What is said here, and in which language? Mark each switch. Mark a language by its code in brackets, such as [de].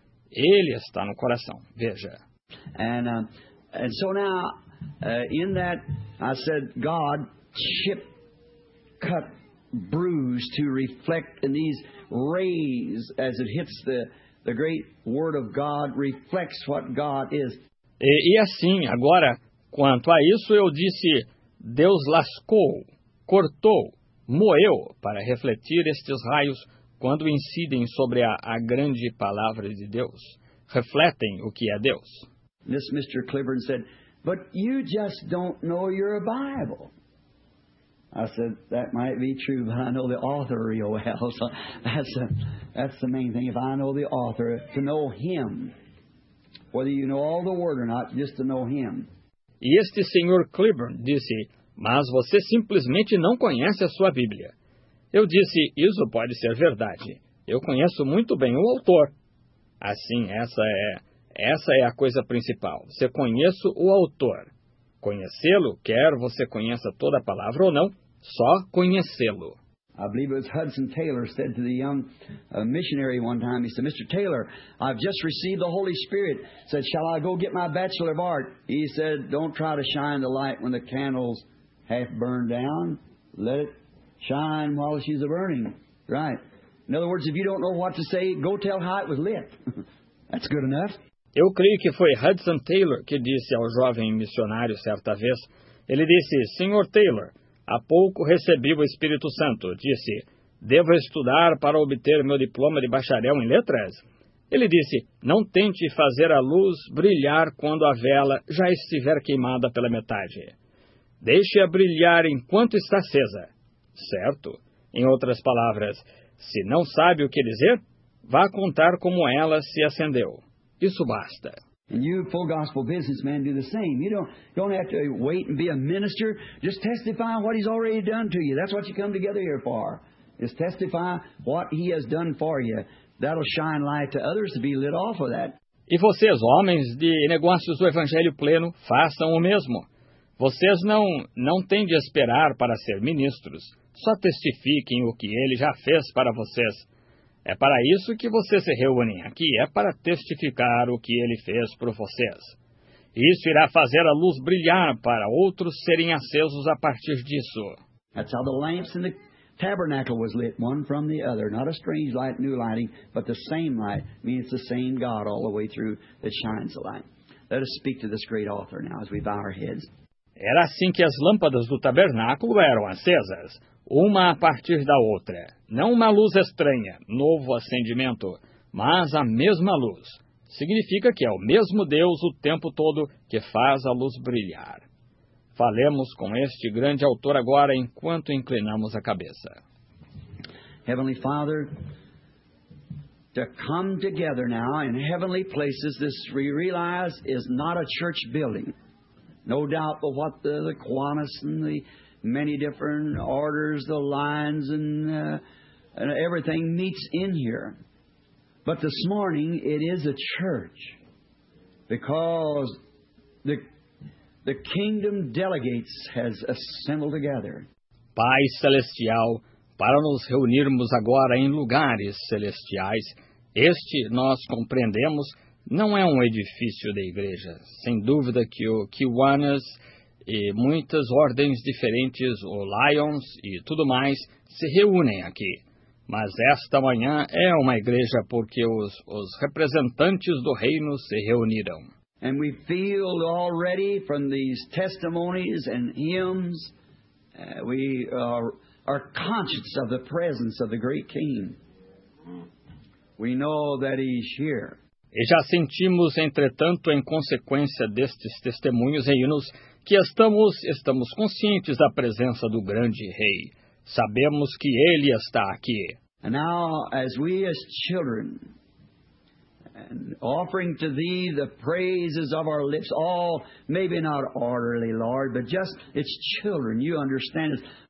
[pt] Ele está no coração. Veja. [en] And so now, in that, I said, God, chip, cut, bruise to reflect in these rays as it hits the great word of God reflects what God is. [pt] E assim, agora, quanto a isso, eu disse, Deus lascou, cortou, moeu para refletir estes raios quando incidem sobre a grande palavra de Deus. Refletem o que é Deus. [en] This Mr. Cliburn said, but you just don't know your Bible. I said, that might be true, but I know the author real well. So that's the main thing. If I know the author, to know him, whether you know all the word or not, just to know him. [pt] E este senhor Cliburn disse, mas você simplesmente não conhece a sua Bíblia. Eu disse, isso pode ser verdade. Eu conheço muito bem o autor. Assim, essa é a coisa principal. Você conhece o autor. Conhecê-lo, quer você conheça toda a palavra ou não, só conhecê-lo. [en] I believe it was Hudson Taylor said to the young missionary one time, he said, Mr. Taylor, I've just received the Holy Spirit. He said, shall I go get my Bachelor of Art? He said, don't try to shine the light when the candle's half burned down. Let it shine while she's a-burning. Right. In other words, if you don't know what to say, go tell how it was lit. That's good enough. [pt] Eu creio que foi Hudson Taylor que disse ao jovem missionário certa vez. Ele disse, Senhor Taylor, há pouco recebi o Espírito Santo. Disse, devo estudar para obter meu diploma de bacharel em letras? Ele disse, não tente fazer a luz brilhar quando a vela já estiver queimada pela metade. Deixe-a brilhar enquanto está acesa. Certo? Em outras palavras, se não sabe o que dizer, vá contar como ela se acendeu. Isso basta. [en] And you, full gospel businessman, do the same. You don't have to wait and be a minister. Just testify what he's already done to you. That's what you come together here for. Just testify what he has done for you. That'll shine light to others to be lit off of that. [pt] E vocês, homens de negócios do Evangelho Pleno, façam o mesmo. Vocês não têm de esperar para ser ministros. Só testifiquem o que ele já fez para vocês. É para isso que vocês se reúnem aqui, é para testificar o que ele fez por vocês. Isso irá fazer a luz brilhar para outros serem acesos a partir disso. [en] That's how the lamps in the tabernacle was lit, one from the other. Not a strange light, new lighting, but the same light. Means the same God all the way through that shines the light. Let us speak to this great author now as we bow our heads. [pt] Era assim que as lâmpadas do tabernáculo eram acesas. Uma a partir da outra. Não uma luz estranha, novo acendimento, mas a mesma luz. Significa que é o mesmo Deus o tempo todo que faz a luz brilhar. Falemos com este grande autor agora enquanto inclinamos a cabeça. [en] Heavenly Father, to come together now in heavenly places, this we realize is not a church building. No doubt but what the Kiwanis and the many different orders, the lines and everything meets in here. But this morning it is a church because the kingdom delegates has assembled together. [pt] Pai Celestial, para nos reunirmos agora em lugares celestiais, este, nós compreendemos, não é um edifício da igreja. Sem dúvida que o Kiwanis e muitas ordens diferentes, o Lions e tudo mais, se reúnem aqui. Mas esta manhã é uma igreja porque os representantes do reino se reuniram. [en] And we feel already from these testimonies and hymns, we are conscious of the presence of the great King. We know that he's here. [pt] E já sentimos, entretanto, em consequência destes testemunhos e hinos, que estamos conscientes da presença do grande rei. Sabemos que ele está aqui. [en] And now, as we as children, and offering to thee the praises of our lips, all maybe not orderly, Lord, but just it's children, you understand it.